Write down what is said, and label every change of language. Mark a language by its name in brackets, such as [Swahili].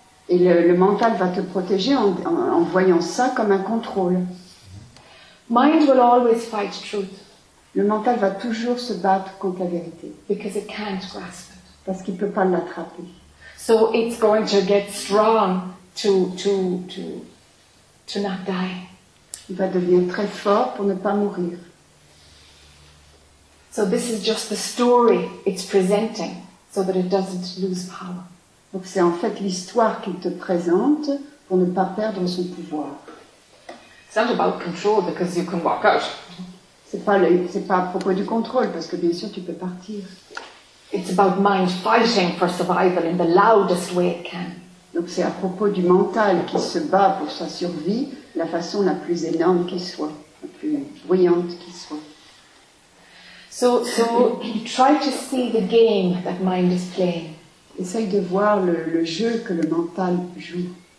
[French] Et le mental va te protéger en voyant ça comme un contrôle. [English] Mind will always fight truth. [French] Le mental va toujours se battre contre la vérité. [English] Because it can't grasp it. [French] Parce qu'il ne peut pas l'attraper. [English] So it's going to get strong to not die. [French] Il va devenir très fort pour ne pas mourir. [English] So this is just the story it's presenting so that it doesn't lose power. [French] Donc c'est en fait l'histoire qu'il te présente pour ne pas perdre son pouvoir. [English] It's not about control because you can walk out. [French] C'est pas à propos du contrôle parce que bien sûr tu peux partir. [English] It's about mind fighting for survival in the loudest way it can. [French] Donc c'est à propos du mental qui se bat pour sa survie, la façon la plus énorme qui soit, la plus bruyante qui soit. [English] So you try to see the game that mind is playing. [French] Essaye de voir le jeu que le mental joue.